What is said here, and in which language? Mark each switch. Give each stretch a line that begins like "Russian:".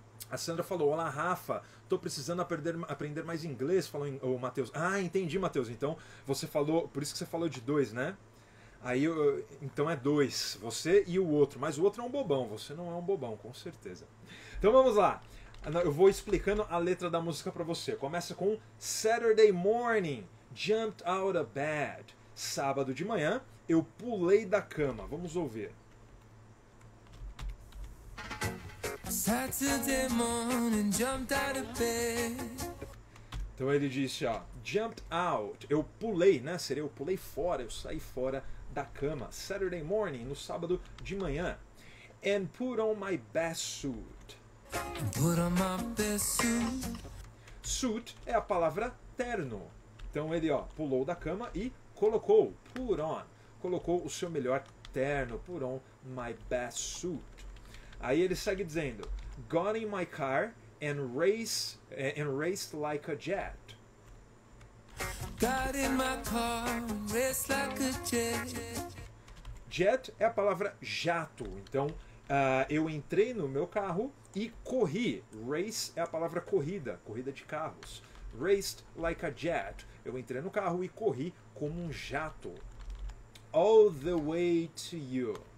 Portuguese: A Sandra falou, olá Rafa, tô precisando aprender mais inglês, falou o Matheus. Ah, entendi, Matheus. Então você falou, por isso que você falou de dois, né? Aí, então é dois, você e o outro. Mas o outro é um bobão, você não é um bobão, com certeza. Então vamos lá. Eu vou explicando a letra da música para você. Começa com
English: Saturday morning, jumped out of bed.
Portuguese: Sábado de manhã, eu pulei da cama. Vamos ouvir.
English: Saturday morning, jumped out of bed.
Portuguese: Então ele disse, ó,
English: jumped out.
Portuguese: Eu pulei, né? Seria eu pulei fora, eu saí fora da cama.
English: Saturday morning,
Portuguese: no sábado de manhã.
English: And put on my best suit. Put on my best suit.
Portuguese: Suit é a palavra terno. Então ele, ó, pulou da cama e colocou, put on, colocou o seu melhor terno,
English: put on my best suit.
Portuguese: Aí ele segue dizendo,
English: got in my car and raced like a jet. Got in my car, race like a jet.
Portuguese: Jet é a palavra jato. Então, eu entrei no meu carro e corri. Race é a palavra corrida, corrida de carros.
English: Raced like a jet.
Portuguese: Eu entrei no carro e corri como um jato.
English: All the way to you.